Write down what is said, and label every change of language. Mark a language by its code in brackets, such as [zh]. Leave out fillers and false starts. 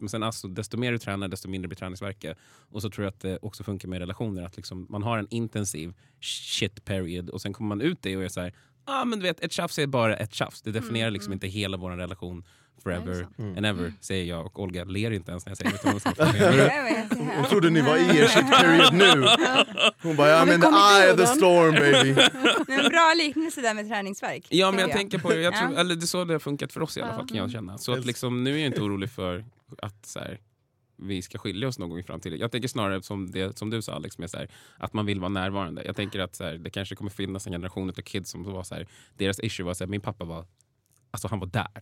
[sv] Men sen alltså, desto mer du tränar, desto mindre blir träningsverket. Och så tror jag att det också funkar med relationer. Att liksom, man har en intensiv shit period och sen kommer man ut det och är så här, ah, men du vet, ett tjafs är bara ett tjafs. Det definierar liksom inte hela vår relation forever and ever, säger jag. Och Olga ler inte ens när jag säger det. Hon trodde ni var i er shit period nu. [en] Hon bara, I'm in the eye of the storm, baby. [sv] Men bra liknelse där med träningsverk. Ja, men jag tänker på det. Jag tror, eller det är så det har funkat för oss i alla fall, kan jag känna. Så att liksom, nu är jag inte orolig för att så här, vi ska skilja oss någon gång i framtiden. Jag tänker snarare som, det, som du sa, Alex, med så här, att man vill vara närvarande. Jag tänker att så här, det kanske kommer finnas en generation av kids som var så här, deras issue var så här, min pappa var, alltså han var där.